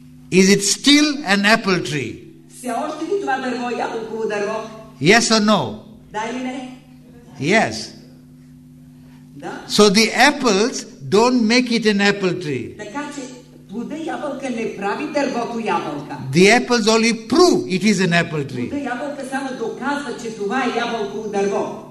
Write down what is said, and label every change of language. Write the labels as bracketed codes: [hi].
[en] Is it still an apple tree? [bg] Все още ли това дърво, ябълково дърво? [en] Yes or no? [bg] Да или не? [en] Yes. [bg] Да. [en] So the apples don't make it an apple tree. [bg] Така че плода ябълка не прави дървото ябълка. [en] The apples only prove it is an apple tree. [bg] Плода ябълка само доказва, че това е ябълково дърво.